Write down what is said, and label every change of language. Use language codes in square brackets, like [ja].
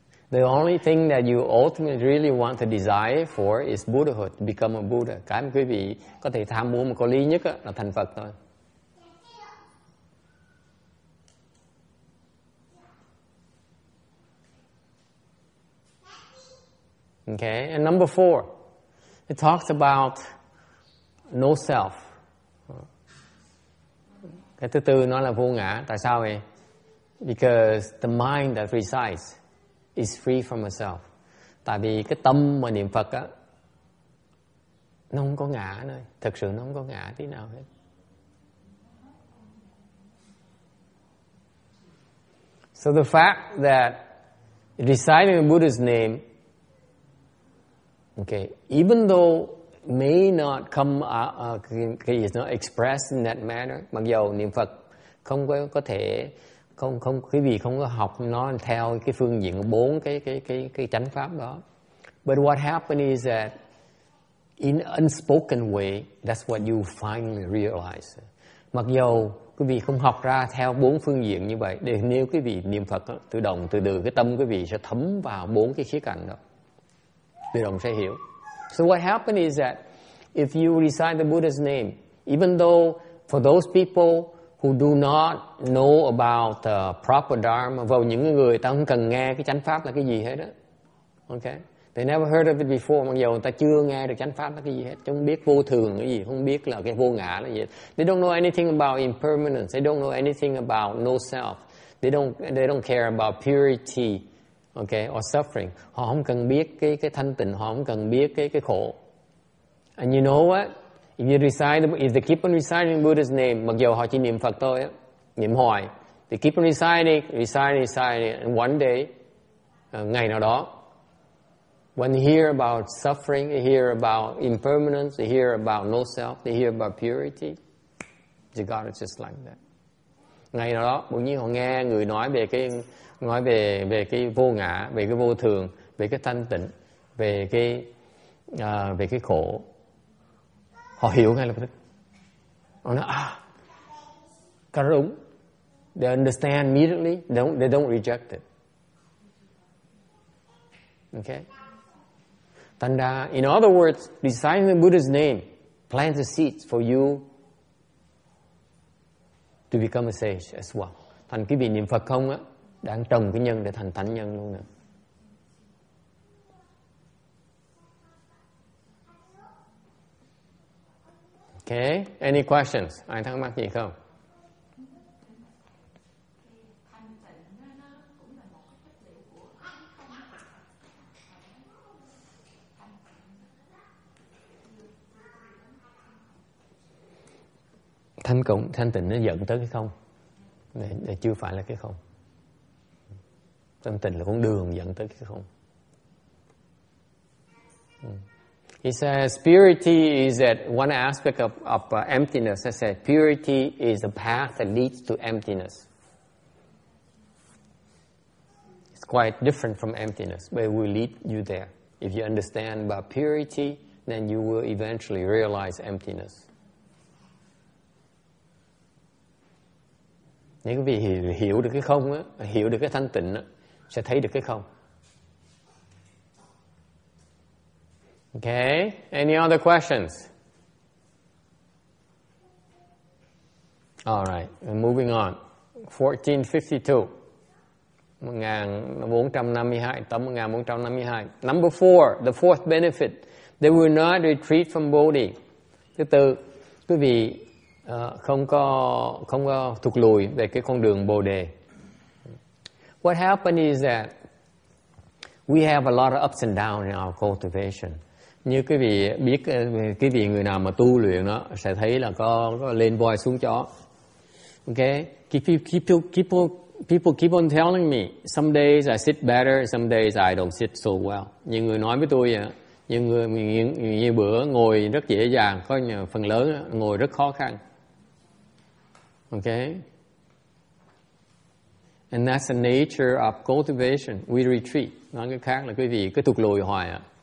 [en] The only thing that you ultimately really want to desire for is Buddhahood, to become a Buddha. [vi] Cái mà quý vị có thể tham muốn mà có lý nhất đó, là thành Phật thôi. [en] Okay, and number four, it talks about no self. [vi] Cái thứ tư nó là vô ngã. Tại sao vậy? [en] Because the mind that resides is free from itself. [vi] Tại vì cái tâm mà niệm Phật á, nó không có ngã nữa. Thật sự nó không có ngã tí nào hết. [en] So the fact that reciting the Buddha's name, okay, even though may not come is not expressed in that manner, [vi] mặc dù niệm Phật không có, có thể không không quý vị không có học nó theo cái phương diện bốn cái chánh pháp đó, [en] but what happened is that in unspoken way that's what you finally realize. [vi] Mặc dù quý vị không học ra theo bốn phương diện như vậy, để nếu quý vị niệm Phật tự động từ từ cái tâm quý vị sẽ thấm vào bốn cái khía cạnh đó, tự động sẽ hiểu. [en] So what happened is that if you recite the Buddha's name, even though for those people who do not know about the proper dharma, [vi] vào những người ta không cần nghe cái chánh pháp là cái gì hết đó. [en] Okay? They never heard of it before, [vi] mặc dù người ta chưa nghe được chánh pháp là cái gì hết. Chứ không biết vô thường cái gì, không biết là cái vô ngã là gì. [en] They don't know anything about impermanence. They don't know anything about no self. They don't care about purity. Okay, or suffering. [vi] Họ không cần biết cái thanh tịnh, họ không cần biết cái khổ. [en] And you know what? If they keep on reciting Buddha's name, [vi] mặc dù họ chỉ niệm Phật thôi, niệm hoài, [en] they keep on reciting, and one day, [vi] ngày nào đó, [en] when they hear about suffering, they hear about impermanence, they hear about no self, they hear about purity, they got it just like that. [vi] Ngày nào đó, bỗng nhiên họ nghe người nói về cái vô ngã, về cái vô thường, về cái thanh tịnh, về cái khổ. Họ hiểu ngay lập tức. Họ nói, có đúng. [en] They understand immediately. They don't reject it. Okay. [vi] Thành ra, [en] in other words, reciting the Buddha's name, plant the seeds for you to become a sage as well. [vi] Thành cái vị niệm Phật không á, đang trồng cái nhân để thành thánh nhân luôn nè. [en] Okay, any questions? [vi] Ai thắc mắc gì không? Thanh cũng thanh tịnh nó dẫn tới cái không, để chưa phải là cái không. Thanh tịnh là con đường dẫn tới cái không. [en] He says purity is that one aspect of emptiness. I said purity is a path that leads to emptiness. It's quite different from emptiness, but it will lead you there. If you understand about purity, then you will eventually realize emptiness. [vi] Nếu quý vị hiểu được cái không á, hiểu được cái thanh tịnh á, sẽ thấy được cái không. [en] Okay, any other questions? All right, we're moving on. 1452. Number four, the fourth benefit. They will not retreat from Bodhi. [vi] Thứ tư, quý vị không có thụt lùi về cái con đường Bồ Đề. [en] What happened is that we have a lot of ups and downs in our cultivation. [vi] Như quý vị biết, quý vị người nào mà tu luyện đó sẽ thấy là có lên voi xuống chó. [en] Okay, people keep on telling me some days I sit better, some days I don't sit so well. [vi] Như người nói với tôi vậy, như bữa ngồi rất dễ dàng, có phần lớn ngồi rất khó khăn. [en] Okay, and that's the nature of cultivation. We retreat. [vi] Nói cái khác là quý vị cứ thụt lùi hoài ạ.